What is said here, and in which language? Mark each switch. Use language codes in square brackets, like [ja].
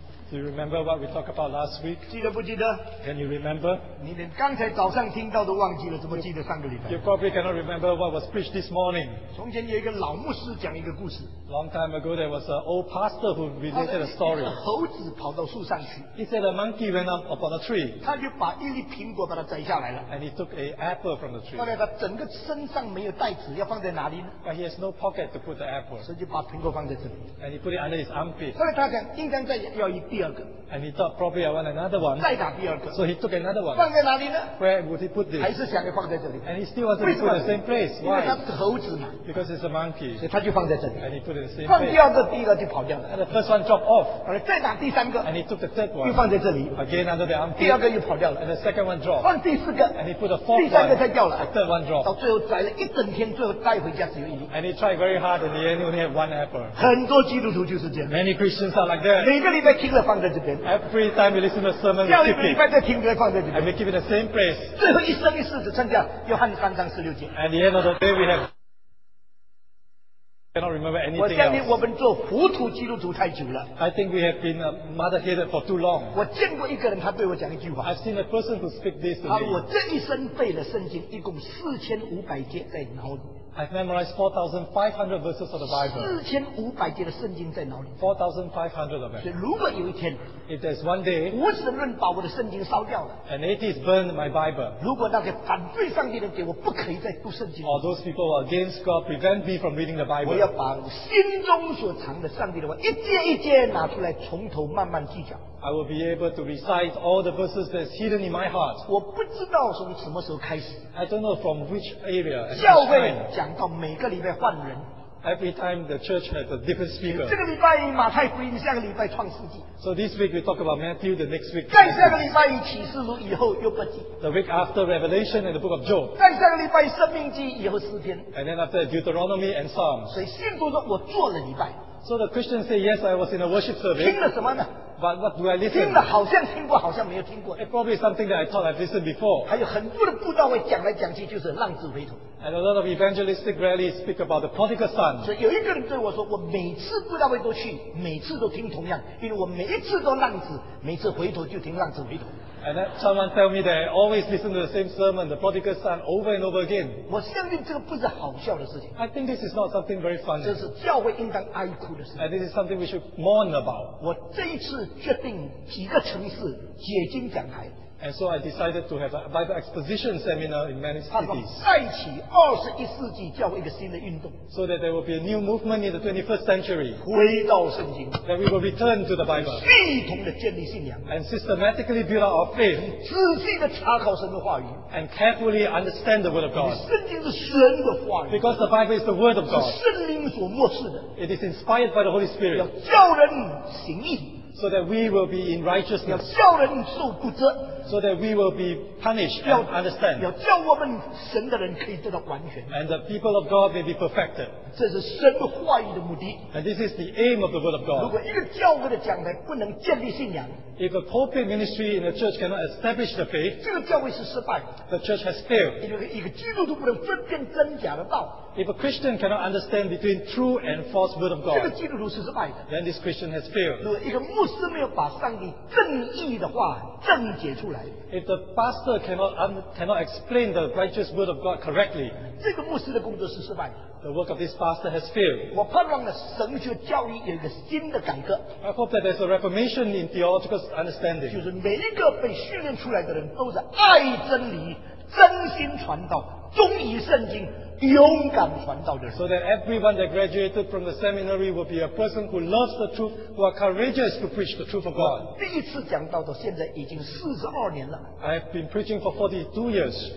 [en] Do you remember what we talked about last week? [zh] 记得不记得? [en] Can you remember? [zh] 你连刚才早上听到都忘记了，怎么记得上个礼拜? [en] You probably cannot remember what was preached this morning. [zh] 从前有一个老牧师讲一个故事。 [en] Long time ago, there was an old pastor who related a story. [zh] 猴子跑到树上去。 [en] He said a monkey went up upon a tree. [zh] 他就把一粒苹果把它摘下来了。 [en] And he took an apple from the tree. [zh] 后来他整个身上没有袋子，要放在哪里呢? [en] But he has no pocket to put the apple. [zh] 所以就把苹果放在这里。 [en] And he put it under his armpit. [zh] 后来他讲应当在要一第二个。 [en] And he thought probably I want another one. [zh] 再打第二个。 [en] So he took another one. [zh] 放在哪里呢? [en] Where would he put this? [zh] 还是想要放在这里。 [en] And he still wants to put the same place. Why? [zh] 因为他是猴子嘛。 [en] Because it's a monkey. [zh] 所以他就放在这里。 [en] And he put it in the same [zh] 放第二个，第一个就跑掉了。 [en] And the first one dropped off. [zh] 后来再打第三个。 [en] And he took the third one. [zh] 又放在这里。 [en] Again under the armpit. [zh] 第二个又跑掉了。 [en] And the second one dropped. [zh] 放第四个。 [en] And he put the fourth one. [zh] 第三个才掉了。 [en] The third one dropped. [zh] 到最后摘了一整天，最后带回家只有一粒。 [en] And he tried very hard, and he only had one apple. [zh] 很多基督徒就是这样。 [en] Many Christians are like that. [zh] 每个礼拜听了放在这边。 [en] Every time you listen to a sermon, we keep it in the same place. [zh] 最后一生一世只剩下约翰三章十六节。 [en] At the end of the day, we have cannot remember anything. [zh] 我相信我们做糊涂基督徒太久了。 [en] I think we have been muddled for too long. [zh] 我见过一个人，他对我讲一句话。 [en] I've seen a person who speak this to me. [zh] 我这一生背了圣经一共四千五百节在脑里。 [en] I've memorized 4,500 verses of the Bible. [zh] 4,500 节的圣经在脑里。 [en] 4,500 of them. [zh] 所以如果有一天 [en] ，If there's one day， [zh] 无神论把我的圣经烧掉了 [en] ，An atheist burned my Bible。 [zh] 如果那些反对上帝的人给我不可以再读圣经 [en] ，Or those people who are against God prevent me from reading the Bible。 [zh] 我要把心中所藏的上帝的话一节一节拿出来，从头慢慢计较。 [en] I will be able to recite all the verses that's hidden in my heart. [zh] 我不知道从什么时候开始。 [en] I don't know from which area. [zh] 教会讲到每个礼拜换人。 [en] Every time the church has a different speaker. [zh] 这个礼拜马太福音，下个礼拜创世纪。 [en] So this week we talk about Matthew, the next week. [zh] 再下个礼拜启示录，以后又不记。 [en] The week after Revelation and the Book of Job. [zh] 再下个礼拜生命记，以后诗篇。 [en] And then after Deuteronomy and Psalms. [zh] 所以信徒说我做了礼拜。 [en] So the Christian say yes, I was in a worship service. [zh] 听了什么呢？ [en] But what do I listen? [zh] 听了好像听过，好像没有听过。 [en] It probably something that I thought I've listened before. [zh] 还有很多的布道会讲来讲去就是浪子回头。 [en] And a lot of evangelistic rallies speak about the prodigal son. [zh] 所以有一个人对我说，我每次布道会都去，每次都听同样，因为我每一次都浪子，每次回头就听浪子回头。 [en] And that someone tell me that I always listen to the same sermon, the prodigal son, over and over again. [zh] 我相信这个不是好笑的事情。 [en] I think this is not something very funny. [zh] 这是教会应当哀哭的事情。 [en] And this is something we should mourn about. [zh] 我这一次决定几个城市解经讲台。 [en] And so I decided to have a Bible exposition seminar in many cities. [zh] 再起21世纪教会一个新的运动。 [en] So that there will be a new movement in the 21st century. [zh] 回到圣经。 [en] That we will return to the Bible. [zh] 系统的建立信仰。 [en] And systematically build up our faith. [zh] 仔细的查考神的话语。 [en] And carefully understand the word of God. [zh] 圣经是神的话语。 [en] Because the Bible is the word of God. [zh] 是圣灵所默示的。 [en] It is inspired by the Holy Spirit. [zh] 要教人行义。 [en] So that we will be in righteousness. [zh] 要教人受苦责。 [en] So that we will be punished and understand. [zh] 要叫我们神的人可以得到完全。 [en] And the people of God may be perfected. [zh] 这是神话语的目的。 [en] And this is the aim of the word of God. [zh] 如果一个教会的讲台不能建立信仰。 [en] If a pulpit ministry in a church cannot establish the faith, [zh] 这个教会是失败的。 [en] The church has failed. [zh] 因为一个基督徒不能分辨真假的道。 [en] If a Christian cannot understand between true and false word of God, [zh] 这个基督徒是失败的。 [en] Then this Christian has failed. [zh] 如果一个牧师没有把上帝正义的话正解出来。 [en] If the pastor cannot explain the righteous word of God correctly, [zh] 这个牧师的工作是失败的。 [en] The work of this pastor has failed. [zh] 我盼望了神学教育有一个新的改革。 [en] I hope that there's a reformation in theological understanding. [zh] 就是每一个被训练出来的人都是爱真理、真心传道、忠于圣经、勇敢传道的人。 [en] So that everyone that graduated from the seminary will be a person who loves the truth, who are courageous to preach the truth of God. [zh] 我第一次讲道到现在已经42年了。 [en] I've been preaching for 42 years.